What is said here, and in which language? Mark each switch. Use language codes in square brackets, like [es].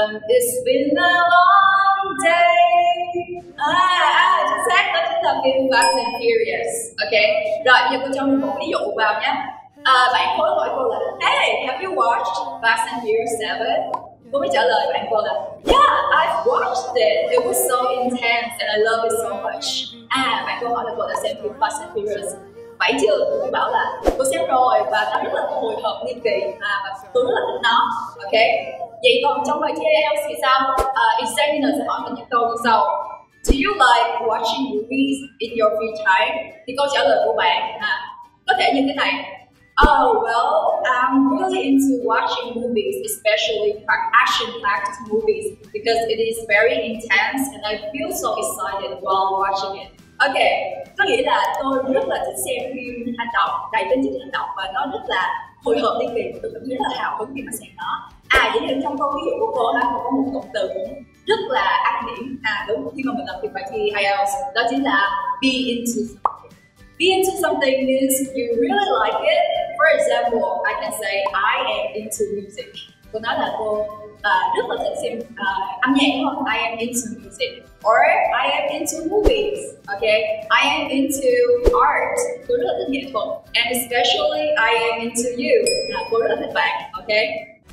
[en] It's been a long day. [vi] Chính xác, đó chính là phim Fast and Furious. Ok, rồi giờ cô cho mình một ví dụ vào nhé. Bạn hối hỏi cô là [en] hey, have you watched Fast and Furious 7? [vi] Cô mới trả lời bạn cô là [en] yeah, I've watched it. It was so intense and I love it so much. [vi] Bạn cô hỏi là cô đã xem phim Fast and Furious phải chưa? Tôi bảo là cô xem rồi và nó rất là hồi hộp nghi kỳ và tôi rất là thích nó. Ok, vậy còn trong bài thi IELTS thì sao? Examiner sẽ hỏi mình những câu như sau. [en] Do you like watching movies in your free time? [vi] Thì câu trả lời của bạn có thể như thế này. [en] Oh well, I'm really into watching movies, especially action-packed movies because it is very intense and I feel so excited while watching it. [vi] Ok, có nghĩa là tôi rất là thích xem phim hành động, đầy tính chất hành động và nó rất là hồi hộp liên tục, tôi cảm thấy rất là hào hứng khi mà xem nó. Vậy thì trong câu ví dụ của cô đó, cô có một cụm từ rất là ác điểm, đúng khi mà mình làm việc bài thi IELTS, đó chính là be into something. [en] Be into something means you really like it. For example, I can say I am into music. [vi] Cô nói là cô rất là thích xem âm nhạc đúng không? [en] I am into music. Or I am into movies. Okay, I am into art. [vi] Cô rất là thích nghệ thuật. [en] And especially I am into you. [vi] Cô rất là thích bạn. [en] Okay.